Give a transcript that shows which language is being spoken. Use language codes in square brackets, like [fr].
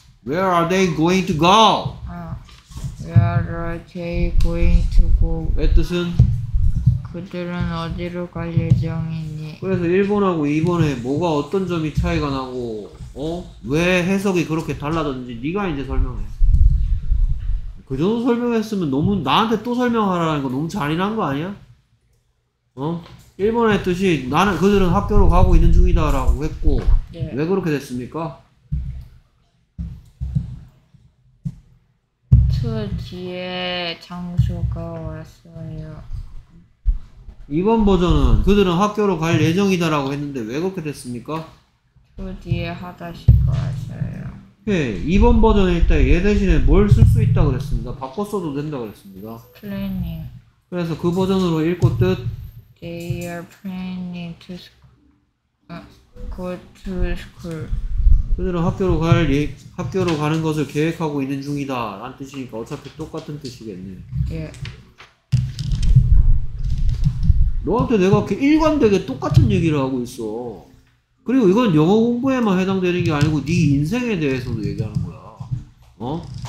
[en] Where are they going to go? Where are they going to go? [ko] 왜 뜻은? 그들은 어디로 갈 예정이니? 그래서 1번하고 2번에 뭐가 어떤 점이 차이가 나고 어? 왜 해석이 그렇게 달라졌는지 네가 이제 설명해. 그 정도 설명했으면 너무 나한테 또 설명하라는 거 너무 잔인한 거 아니야? 어? 1번 했듯이 나는 그들은 학교로 가고 있는 중이다 라고 했고 네. 왜 그렇게 됐습니까? 그 뒤에 장소가 왔어요. 2번 버전은 그들은 학교로 갈 예정이다 라고 했는데 왜 그렇게 됐습니까? 그 뒤에 하다시가 왔어요. 네, 2번 버전일 때 얘 대신에 뭘 쓸 수 있다 그랬습니다. 바꿔 써도 된다 그랬습니다. [en] Planning. [ko] 그래서 그 버전으로 읽고 뜻. [en] They are planning to go to school. [ko] 그들은 학교로 갈 예, 학교로 가는 것을 계획하고 있는 중이다. 라는 뜻이니까 어차피 똑같은 뜻이겠네. 예. Yeah. 너한테 내가 이렇게 일관되게 똑같은 얘기를 하고 있어. 그리고 이건 영어 공부에만 해당되는 게 아니고 네 인생에 대해서도 얘기하는 거야. 어?